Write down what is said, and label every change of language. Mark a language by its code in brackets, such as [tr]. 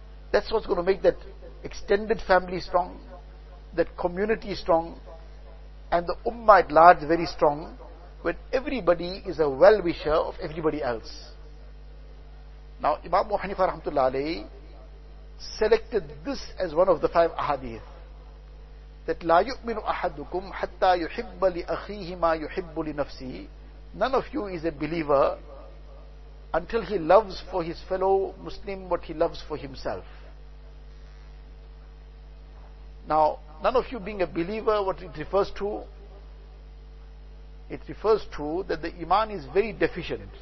[en] That's what's going to make that extended family strong, that community strong, and the ummah at large very strong, when everybody is a well-wisher of everybody else. Now, Imam Abu Hanifa rahmatullahi alayhi selected this as one of the five ahadith. That [ar] لا يؤمن أحدكم حتى يحب لأخيه ما يحب لنفسه. [en] None of you is a believer until he loves for his fellow Muslim what he loves for himself. Now, none of you being a believer, what it refers to? It refers to that the iman is very deficient.